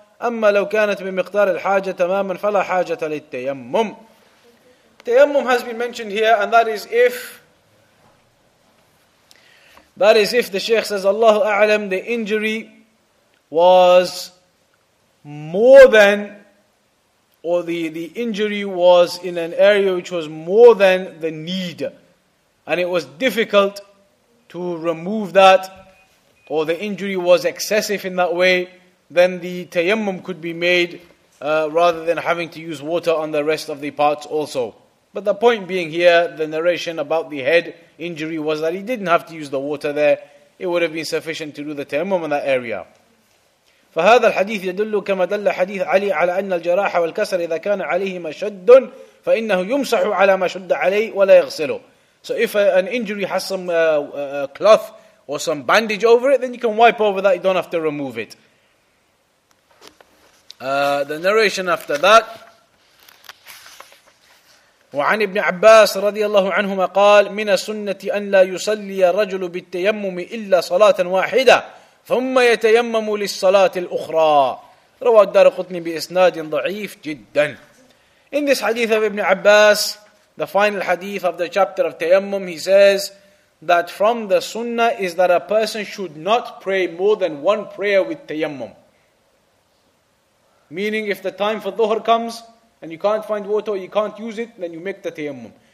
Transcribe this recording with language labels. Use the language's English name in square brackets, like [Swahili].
[Arabic] أما لو كانت بمقدار الحاجة تماما فلا حاجة للتيمم. [English] تيمم has been mentioned here, and that is if the Shaykh says, [Arabic] Allahu A'lam, [English] the injury was more than, or the injury was in an area which was more than the need, and it was difficult to remove that, or the injury was excessive in that way, then the tayammum could be made rather than having to use water on the rest of the parts also. But the point being here, the narration about the head injury was that he didn't have to use the water there. It would have been sufficient to do the tayammum in that area. [Arabic] فَهَذَا الْحَدِيثِ يَدُلُّ كَمَا دَلَّ حَدِيثَ عَلِي عَلَى أَنَّ الْجَرَاحَ وَالْكَسَرَ إِذَا كَانَ عَلَيْهِمَا شَدٌ فَإِنَّهُ يُمْسَحُ عَلَى مَا شُدَّ عَلَيْهِ وَلَا يَغْسِلُ. [English] So if an injury has some cloth or some bandage over it, then you can wipe over that, you don't have to remove it. The narration after that. [Arabic] وعن ابن عباس رضي الله عنهما قال من السنة أن لا يصلي الرجل بالتيمم إلا صلاة واحدة ثم يتيمم للصلاة الأخرى. رواه الدارقطني بإسناد ضعيف جدا. [English] In this hadith of Ibn Abbas, the final hadith of the chapter of Tayammum, he says that from the sunnah is that a person should not pray more than one prayer with Tayammum. Meaning if the time for Dhuhr comes and you can't find water or you can't use it, then you make the Tayammum.